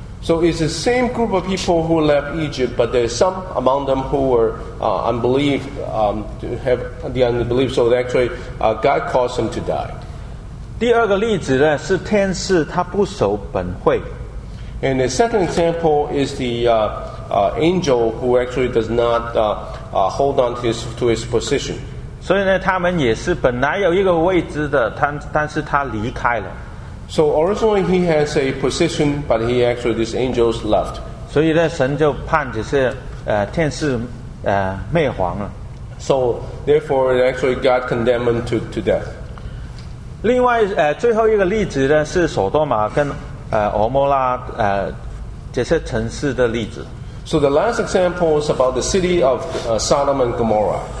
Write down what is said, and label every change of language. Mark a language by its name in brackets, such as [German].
[English] So it's the same group of people who left Egypt, but there's some among them who were unbelief, have the unbelief. So actually, God caused them to die. [Chinese] 第二个例子呢是天使他不守本会。 [English] And the second example is the angel who actually does not hold on to his position. [Chinese] 所以呢, 他们也是本来有一个位置的, 但是他离开了。 [English] So originally he has a position, but he actually, these angels left. [Chinese] 所以呢, 神就判只是, 天使, 灭亡了。 [English] So therefore, actually God condemned him to death. [Chinese] 另外, 最后一个例子呢, 是索多玛跟, 俄摩拉, 这些城市的例子。 [English] So the last example is about the city of Sodom and Gomorrah.